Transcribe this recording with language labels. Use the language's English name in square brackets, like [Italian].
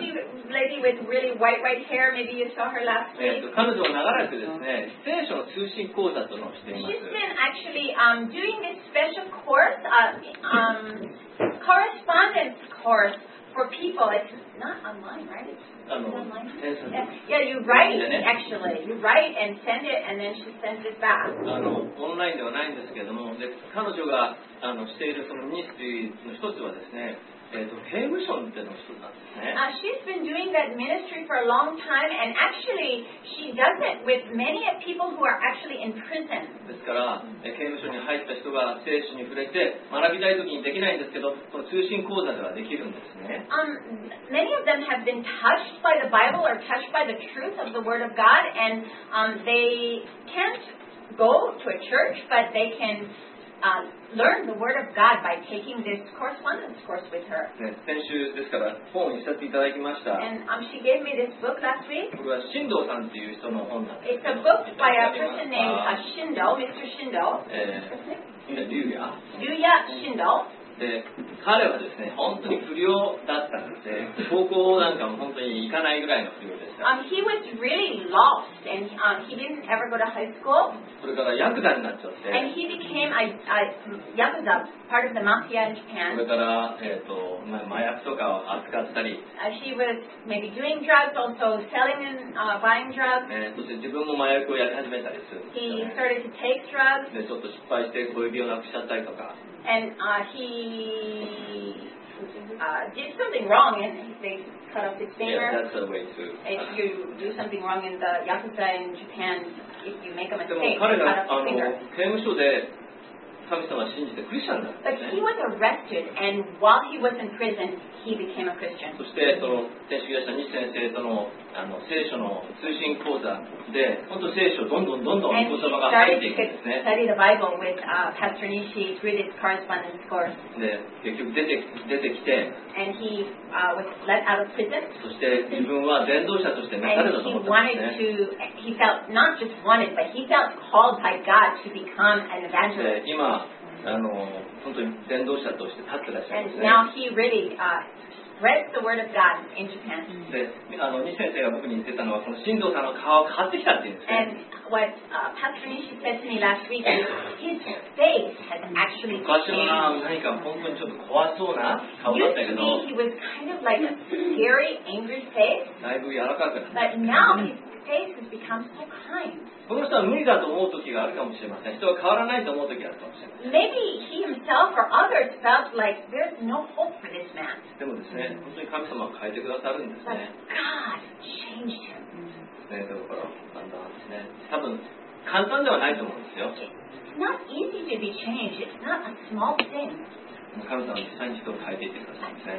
[English] And she lady with really white hair. Maybe you saw her last week. [Japanese] 彼女は長らくですね、聖書の通信講座というのをしています。 [English] She's been actually doing this special course of correspondence course for people. It's not online, right? Yeah, you write actually. You write and send it, and then she sends it back. [Japanese] オンラインではないんですけども、で彼女がしているそのミニストリーの一つはですね、刑務所っていうのが一つなんですね。 [English] She's been doing that ministry for a long time, and actually she does it with many of people who are actually in prison. [Japanese] ですから、刑務所に入った人が聖書に触れて学びたいときにできないんですけど、その通信講座ではできるんですね。 [English] Many of them have been touched by the Bible or touched by the truth of the Word of God, and they can't go to a church, but they can learn the Word of God by taking this correspondence course with her. [Japanese] 先週ですから本を一冊いただきました。 [English] And she gave me this book last week. [Japanese] これは新道さんという人の本なんです。 [English] It's a book by a person named Shindo, Mr. Shindo. Ryuya Shindo. [Japanese] で彼はですね本当に不良だったんですね。高校なんかも本当に行かないぐらいの不良でした。 [English] He was really lost and he didn't ever go to high school. [Japanese] それからヤクザになっちゃって。 [English] And he became a yakuza, part of the mafia in Japan. [Japanese] それから麻薬とかを扱ったり。 [English] He was maybe doing drugs, also selling and buying drugs. [Japanese] そして自分も麻薬をやり始めたりするんですよ、ね。 [English] He started to take drugs. [Japanese] でちょっと失敗して小指をなくしちゃったりとか。 [English] And he did something wrong, and they cut off his finger. Yeah, that's the way too. If you do something wrong in the yakuza in Japan, if you make a mistake, they cut off his finger. [Japanese] 刑務所で神様を信じてクリスチャンだったんですね。 [English] But he was arrested, and while he was in prison, he became a Christian. [Japanese] そしてその天主教者西先生との聖書の通信講座で本当聖書をどんどん言葉が入っていくんですね。 [English] And he started to study the Bible with Pastor Nishi through this correspondence course. [Japanese] で結局出てきて。 [English] And he was let out of prison. [Japanese] そして自分は伝道者として召されたと思ったんですね。 [English] And he wanted to, he felt not just wanted, but he felt called by God to become an evangelist. [Japanese] 今本当に伝道者として立ってらっしゃるんですね。 [English] And now he really spreads the word of God in Japan. [Japanese] で、西先生が僕に言ってたのは、この新藤さんの顔が変わってきたっていうんですね。 [English] And what Pastor Nishi said to me last week, his face has actually changed. [Japanese] 昔は何か本当にちょっと怖そうな顔だったけど、 [English] Used to be he was kind of like a scary, angry face. [Japanese] だいぶ柔らかくなった。 [English] But now his face has become so kind. [Japanese] この人は無理だと思う時があるかもしれません。人は変わらないと思う時があるかもしれません。 [English] Maybe he himself or others felt like there's no hope for this man. [Japanese] でもですね、本当に神様は変えてくださるんですね。 [English] But God changed him. [Japanese] ね、だから、簡単ですね。多分、簡単ではないと思うんですよ。 [English] It's not easy to be changed. It's not a small thing. [Japanese] 神様は実際に人を変えていってくださいね。